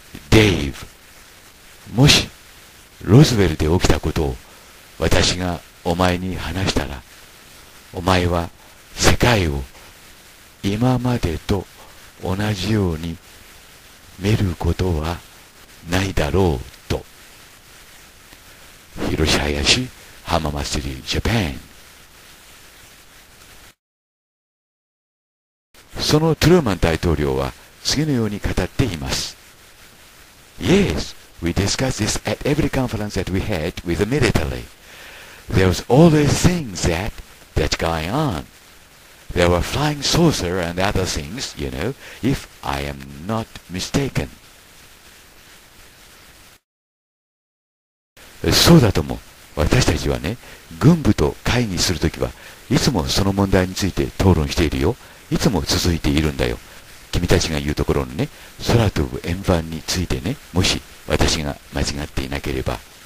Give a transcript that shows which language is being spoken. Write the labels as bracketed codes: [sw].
[ja] デイブ、もしロズウェルで起きたことを私がお前に話したら、お前は世界を今までと同じように見ることはないだろうと。広島市浜松市ジャパン。そのトルーマン大統領は次のように語っています。 [en] Yes, we discussed this at every conference that we had with the military. There was always things that's going on. There were flying saucer and other things, you know, if I am not mistaken. [ja] そうだと思う。私たちはね、軍部と会議するときはいつもその問題について討論しているよ。いつも続いているんだよ。君たちが言うところのね、空飛ぶ円盤についてね、もし私が間違っていなければ。